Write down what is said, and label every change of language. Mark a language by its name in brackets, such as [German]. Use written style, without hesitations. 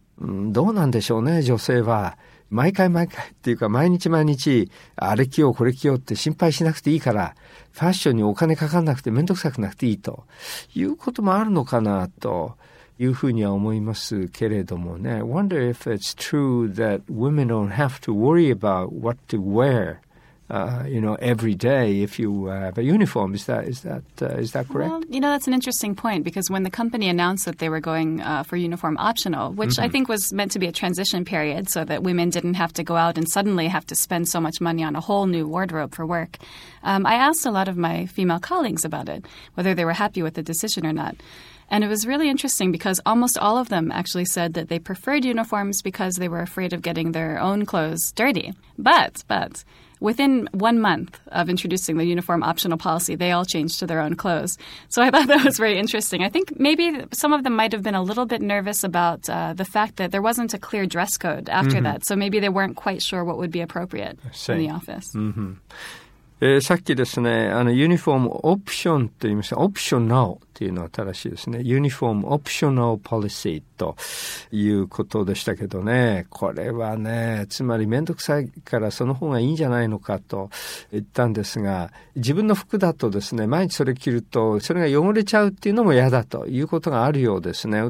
[Japanese] どうなんでしょうね、女性は毎回毎回っていうか毎日毎日あれ着ようこれ着ようって心配しなくていいから、ファッションにお金かかんなくて面倒くさくなくていいということもあるのかなというふうには思いますけれどもね。 [English] Wonder if it's true that women don't have to worry about what to wear every day if you have a uniform. Is that correct? Well, you know, that's an interesting point, because when the company announced that they were going for uniform optional, which mm-hmm. I think was meant to be a transition period so that women didn't have to go out and suddenly have to spend so much money on a whole new wardrobe for work, I asked a lot of my female colleagues about it, whether they were happy with the decision or not. And it was really interesting because almost all of them actually said that they preferred uniforms because they were afraid of getting their own clothes dirty. But within 1 month of introducing the uniform optional policy, they all changed to their own clothes. So I thought that was very interesting. I think maybe some of them might have been a little bit nervous about the fact that there wasn't a clear dress code after mm-hmm. that. So maybe they weren't quite sure what would be appropriate in the office. Mm-hmm. [Japanese] さっきですね、ユニフォームオプションと言いました。オプショナルというのは正しいですね。ユニフォームオプショナルポリシーということでしたけどね。これはね、つまりめんどくさいからその方がいいんじゃないのかと言ったんですが、自分の服だとですね、毎日それ着るとそれが汚れちゃうっていうのも嫌だということがあるようですね。